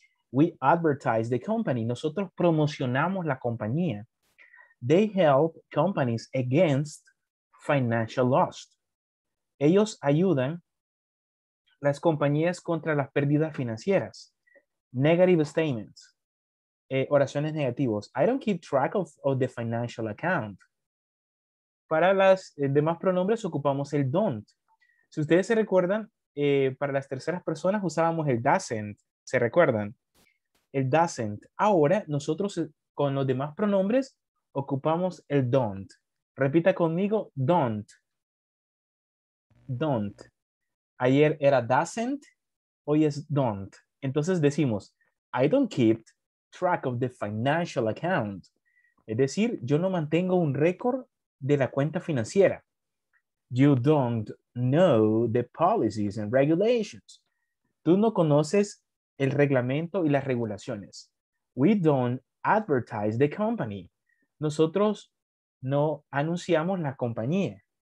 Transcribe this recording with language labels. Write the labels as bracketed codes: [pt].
[en] We advertise the company. [es] Nosotros promocionamos la compañía. [en] They help companies against financial loss. [es] Ellos ayudan las compañías contra las pérdidas financieras. [en] Negative statements. [es] Oraciones negativas. [en] I don't keep track of the financial account. [es] Para las demás pronombres ocupamos el don't. Si ustedes se recuerdan, para las terceras personas usábamos el doesn't. ¿Se recuerdan? El doesn't. Ahora nosotros con los demás pronombres ocupamos el don't. Repita conmigo, don't. Don't. Ayer era doesn't, hoy es don't. Entonces decimos, [en] I don't keep track of the financial account. [es] Es decir, yo no mantengo un récord de la cuenta financiera. [en] You don't know the policies and regulations. [es] Tú no conoces el reglamento y las regulaciones. [en] We don't advertise the company. [es] Nosotros no anunciamos la compañía.